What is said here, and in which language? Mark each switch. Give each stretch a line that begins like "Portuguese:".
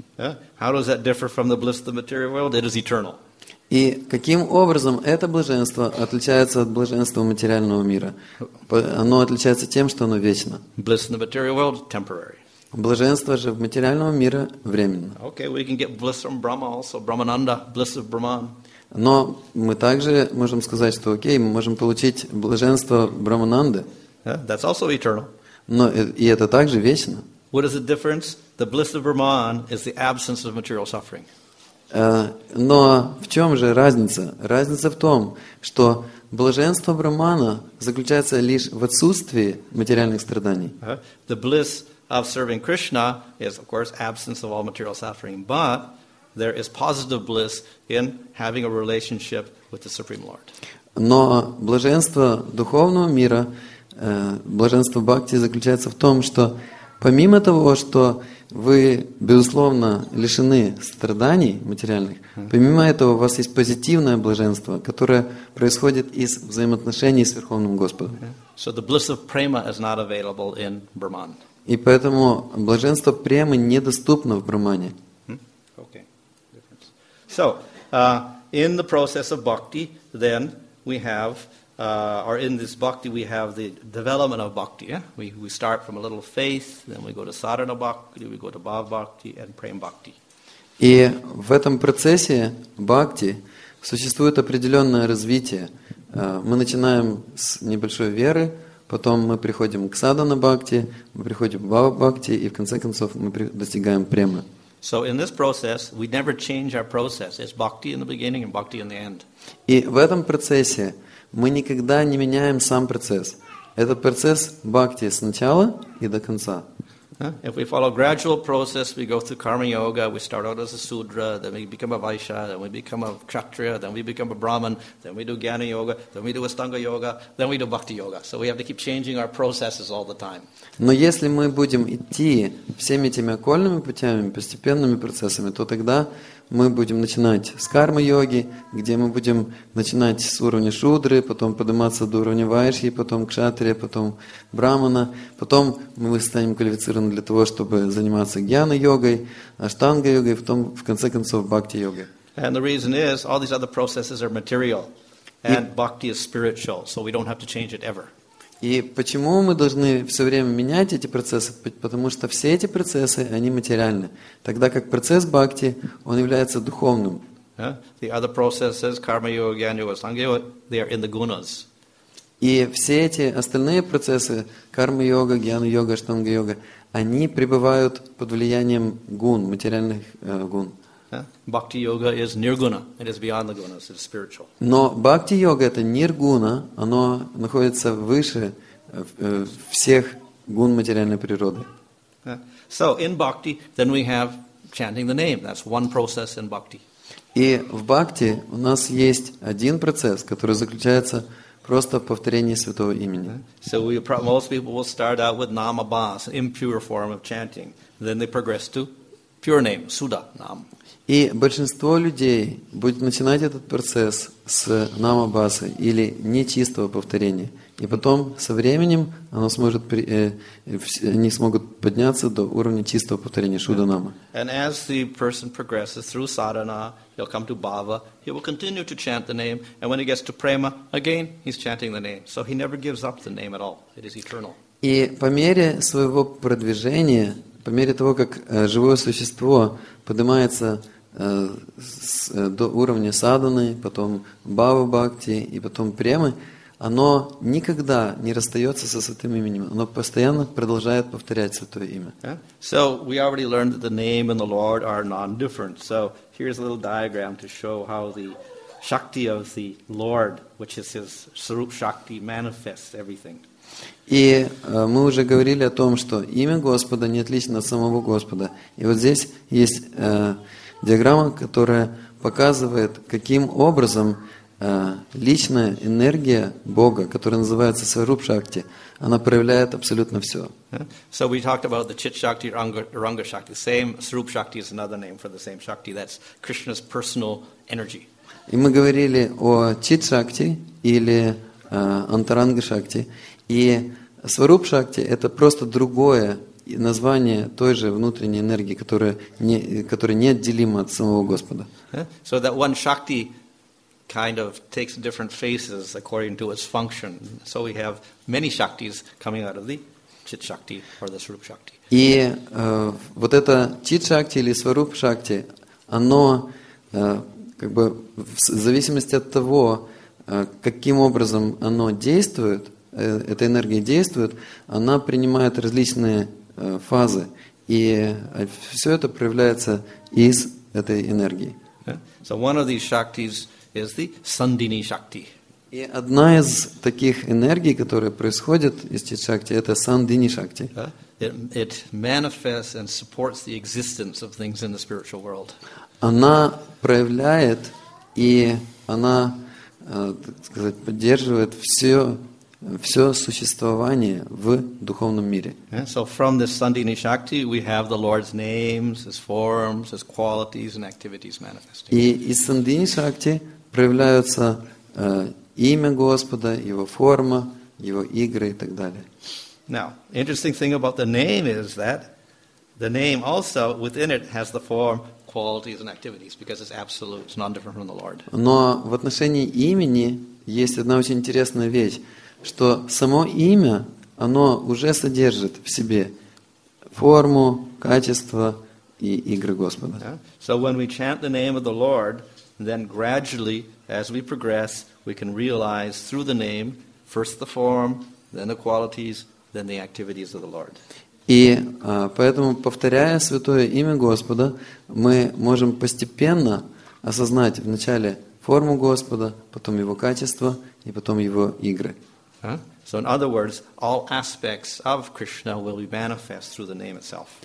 English: Yeah. How does that differ from the bliss of the material world? It is eternal.
Russian: И каким образом это блаженство отличается от блаженства материального мира? Оно отличается тем, что оно вечно.
English: Bliss in the material world, temporary.
Russian: Блаженство же в материальном мире временно.
English: Okay, we can get bliss from Brahma also, Brahmananda, bliss of Brahman.
Russian: Но мы также можем сказать, что окей, мы можем получить блаженство Брамананды.
English: Yeah, that's also eternal.
Russian: Но и это также вечно.
English: What is the difference? The bliss of Brahman is the absence of material suffering.
Russian: Но в чем же разница? Разница в том, что блаженство Брахмана заключается лишь в отсутствии материальных страданий.
English: The bliss of serving Krishna is, of course, absence of all material suffering, but there is positive bliss in having a relationship with the Supreme Lord.
Russian: Но блаженство духовного мира, блаженство бхакти заключается в том, что помимо того, что вы, безусловно, лишены страданий материальных, помимо этого, у вас есть позитивное блаженство, которое происходит из взаимоотношений с Верховным Господом.
English: So the bliss of prema is not available in Brahman.
Russian: И поэтому блаженство премы недоступно в Брахмане.
English: Okay. So, in the process of bhakti, then we have or in this bhakti we have the development of bhakti. Yeah? We start from a little faith, then we go to sadhana bhakti, we go to bhava bhakti and prema bhakti.
Russian: И в этом процессе бхакти существует определенное развитие. Мы начинаем с небольшой веры, потом мы приходим к садхана бхакти, мы приходим к бхава бхакти и в конце концов мы достигаем премы.
English: So in this process we never change our process. It's bhakti in the beginning and bhakti in the end.
Russian: И в этом процессе мы никогда не меняем сам процесс. Этот процесс бхакти с начала и до конца.
English: If we follow gradual process, we go through karma yoga, we start out as a sudra, then we become a vaishya, then we become a kshatriya, then we become a brahman, then we do jnana yoga, then we do astanga yoga, then we do bhakti yoga. So we have to keep changing our processes all the time.
Russian: Но если мы будем идти всеми этими окольными путями, постепенными процессами, то тогда мы будем начинать с карма-йоги, где мы будем начинать с уровня шудры, потом подниматься до уровня вайшьи, потом кшатрия, потом брахмана. Потом мы станем квалифицированы для того, чтобы заниматься гьяна-йогой, аштанга-йогой, потом, в конце концов, бхакти-йогой.
English: And the reason is, all these other processes are material, and bhakti is spiritual, so we don't have to change it ever.
Russian: И почему мы должны все время менять эти процессы? Потому что все эти процессы, они материальны. Тогда как процесс бхакти, он является духовным.
English: The other processes, karma yoga, jnana yoga, astanga yoga, they are in the gunas.
Russian: И все эти остальные процессы, карма йога, jnana йога, аштанга йога, они пребывают под влиянием гун, материальных гун.
English: Bhakti yoga is nirguna. It is beyond the gunas. It is spiritual.
Russian: Но бхакти йога это ниргуна. Оно находится выше всех гун материальной природы.
English: So in bhakti, then we have chanting the name. That's one process in bhakti.
Russian: И в бхакти у нас есть один процесс, который заключается просто в повторении святого имени.
English: So most people will start out with namabhas, impure form of chanting. Then they progress to pure name, sudha nam.
Russian: И большинство людей будет начинать этот процесс с намабасы или нечистого повторения. И потом со временем оно сможет, они смогут подняться до уровня чистого повторения, шуда-нама.
English: And as the person progresses through sadhana, he'll come to bhava, he will continue to chant the name, and when he gets to prema, again, he's chanting the name. So he never gives up the name at all. It is eternal.
Russian: И по мере своего продвижения, по мере того, как живое существо поднимается до уровня садханы, потом бхава-бхакти и потом премы, оно никогда не расстается со святым именем. Оно постоянно продолжает повторять святое имя.
English: So we already learned that the name and the Lord are non-different. So here's a little diagram to show how the Shakti of the Lord, which is His Sarup Shakti, manifests everything.
Russian: И мы уже говорили о том, что имя Господа не отлично от самого Господа. И вот здесь есть диаграмма, которая показывает, каким образом личная энергия Бога, которая называется Сваруп Шакти, она проявляет абсолютно все.
English: So we talked about the Chit Shakti, Ranga Shakti. Same Sarup Shakti is another name for the same Shakti. That's Krishna's personal energy.
Russian: И мы говорили о Чит Шакти или Антаранга Шакти. И Сваруп Шакти – это просто другое название той же внутренней энергии, которая неотделима от самого Господа.
English: So that one Shakti kind of takes different faces according to its function. So we have many Shaktis coming out of the Chit Shakti or the Sarup Shakti.
Russian: И вот это Чит Шакти или Сваруп Шакти, оно как бы в зависимости от того, каким образом оно действует, эта энергия действует, она принимает различные фазы, и все это проявляется из этой энергии.
English: So one of these shaktis is the Sandini Shakti.
Russian: И одна из таких энергий, которая происходит из Чит Шакти, это Сандини Шакти.
English: It manifests and supports the existence of things in the spiritual world.
Russian: Она проявляет и она, так сказать, поддерживает все существование в духовном мире.
English: So from this Sandini Shakti we have the Lord's names, His forms, His qualities and activities manifesting.
Russian: И из Сандини Шакти проявляются имя Господа, Его форма, Его игры и так далее.
English: Now, interesting thing about the name is that the name also within it has the form, qualities and activities, because it's absolute, it's non-different from the Lord.
Russian: Но в отношении имени есть одна очень интересная вещь, что само имя, оно уже содержит в себе форму, качество и игры Господа.
English: So when we chant the name of the Lord, then gradually, as we progress, we can realize through the name, first the form, then the qualities, then the activities of the Lord.
Russian: И поэтому, повторяя святое имя Господа, мы можем постепенно осознать вначале форму Господа, потом Его качество и потом Его игры.
English: So in other words, all aspects of Krishna will be manifest through the name itself.